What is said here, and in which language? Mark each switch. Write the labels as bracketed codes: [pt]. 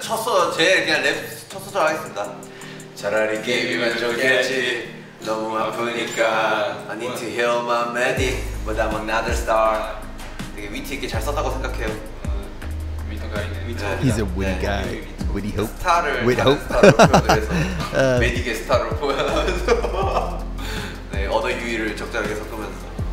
[ko] 첫 소절 제일 그냥 랩 첫 소절 하겠습니다. 차라리 게임이면 좋겠지. 너무 아프니까 [en] I need to heal my medic but I'm another star. [ko] 되게 위트 있게 잘 썼다고 생각해요. 위트가 있네. [en] He's a witty guy. Witty hope. [ko] 스타를 [en] with hope. [ko] 그래서 메딕의 스타로 보여서 네, 언어 유의를 적절하게 섞으면서